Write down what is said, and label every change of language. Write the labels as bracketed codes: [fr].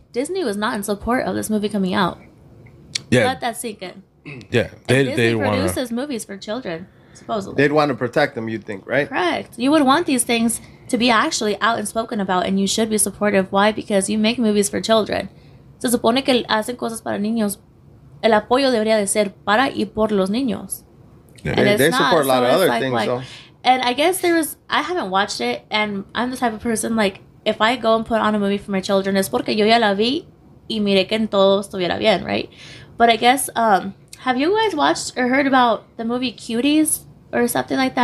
[en] Disney was not in support of this movie coming out. Yeah. Let that sink in. Yeah. Disney produces movies for children, supposedly. They'd want to protect them, you'd think, right? Correct. You would want these things to be actually out and spoken about, and you should be supportive. Why? Because you make movies for children. [es] Se supone que hacen cosas para niños. El apoyo debería de ser para y por los niños. [en] Yeah. They support a lot of other things, though. And I guess I haven't watched it, and I'm the type of person, like, if I go and put on a movie for my children, [es] es porque yo ya la vi y miré que en todo estuviera bien, [en] right? But I guess, have you guys watched or heard about the movie Cuties or something like that?